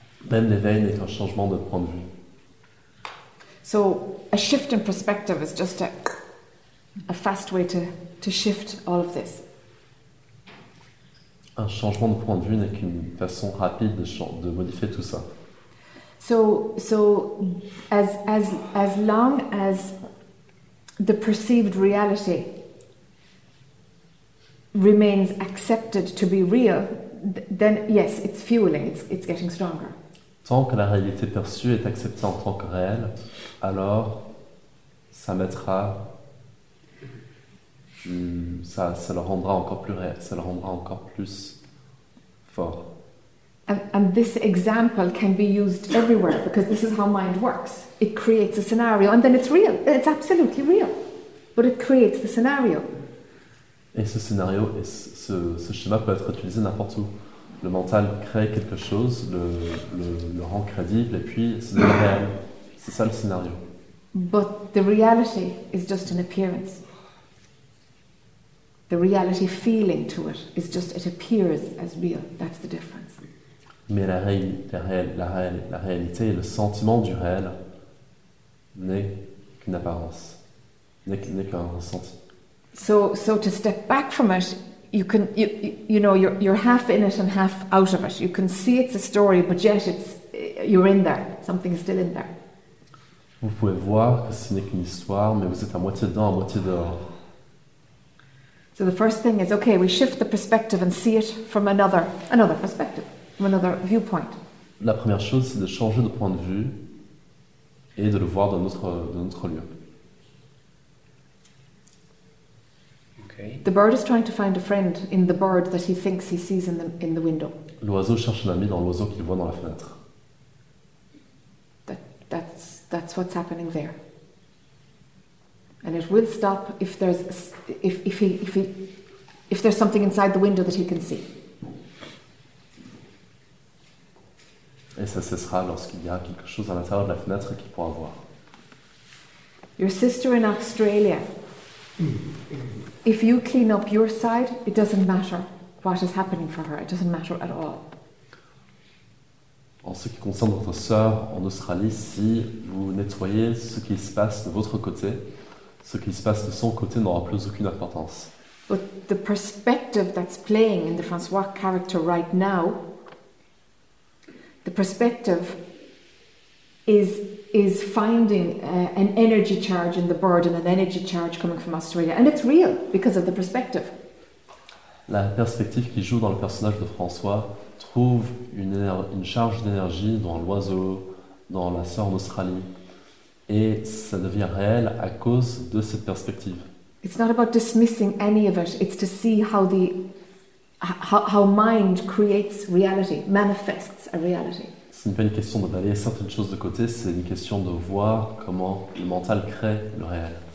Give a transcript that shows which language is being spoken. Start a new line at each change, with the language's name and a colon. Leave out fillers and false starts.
French: Même l'éveil est un changement de point de vue.
English: So, a shift in perspective is just a fast way to shift all of this.
French: Un changement de point de vue n'est qu'une façon rapide de modifier tout ça.
English: So as long as the perceived reality remains accepted to be real, then yes, it's fueling, it's getting stronger.
French: Tant que la réalité perçue est acceptée en tant que réelle, alors ça le rendra encore plus fort.
English: And this example can be used everywhere because this is how mind works. It creates a scenario and then it's real. It's absolutely real. But it creates the scenario.
French: Et ce scénario, et ce schéma peut être utilisé n'importe où. Le mental crée quelque chose, le rend crédible et puis c'est le réel. C'est ça le scénario.
English: But the reality is just an appearance. The reality feeling to it is just it appears as real. That's the difference.
French: Mais la réalité et le sentiment du réel n'est qu'une apparence, n'est qu'un ressenti.
English: So to step back from it, you're half in it and half out of it. You can see it's a story, but yet you're in there. Something is still in there.
French: Vous pouvez voir que ce n'est qu'une histoire, mais vous êtes à moitié dedans, à moitié dehors.
English: So the first thing is, okay, we shift the perspective and see it from another perspective. Another viewpoint.
French: La première chose, c'est de changer de point de vue et de le voir d'un autre lieu.
English: Okay. The bird is trying to find a friend in the bird that he thinks he sees in the window.
French: L'oiseau cherche un ami dans l'oiseau qu'il voit dans la fenêtre.
English: That's what's happening there. And it will stop if there's something inside the window that he can see.
French: Et ça cessera lorsqu'il y a quelque chose à l'intérieur de la fenêtre qu'il pourra voir.
English: Your sister in Australia. If you clean up your side, it doesn't matter what is happening for her. It doesn't matter at all.
French: En ce qui concerne votre sœur en Australie, si vous nettoyez ce qui se passe de votre côté, ce qui se passe de son côté n'aura plus aucune importance.
English: But the perspective that's playing in the François character right now. The perspective is finding an energy charge in the bird and an energy charge coming from Australia, and it's real because of the perspective.
French: La perspective qui joue dans le personnage de François trouve une charge d'énergie dans l'oiseau, dans la sœur en Australie, et ça devient réel à cause de cette perspective.
English: It's not about dismissing any of it. It's to see how mind creates reality, manifests a reality.
French: Ce n'est pas une question de balayer certaines choses de côté, c'est une question de voir comment le mental crée le réel.